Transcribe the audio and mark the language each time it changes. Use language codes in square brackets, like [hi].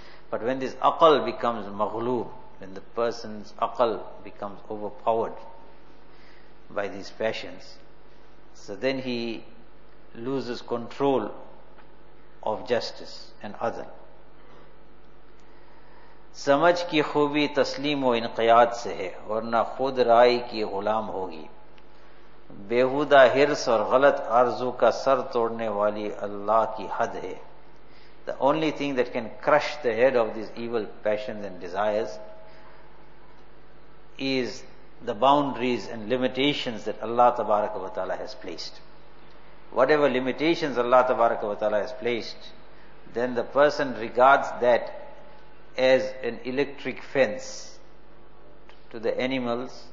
[en] But when this aqal becomes maghloob, when the person's aqal becomes overpowered by these passions, so then he loses control of justice and adl. [ur] سمجھ کی خوبی تسلیم و انقیاد سے ہے ورنہ خود رائی کی غلام ہوگی بےہودہ حرص اور غلط آرزو کا سر توڑنے والی اللہ کی حد ہے. [en] The only thing that can crush the head of these evil passions and desires is the boundaries and limitations that Allah tabaraka wa ta'ala has placed. Whatever limitations Allah tabaraka wa ta'ala has placed, then the person regards that as an electric fence to the animals.